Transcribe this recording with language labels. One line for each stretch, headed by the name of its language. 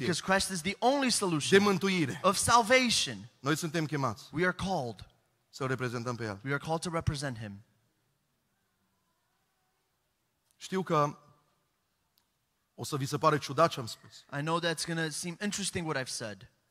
English: Because Christ is the only solution.
Romanian: De mântuire.
English: Of salvation.
Romanian: Noi suntem chemați.
English: We are called.
Romanian: Să reprezentăm pe el.
English: We are called to represent him.
Romanian: Știu că o să vi se pare ciudat ce am spus.
English: I know that's going to seem interesting what I've said.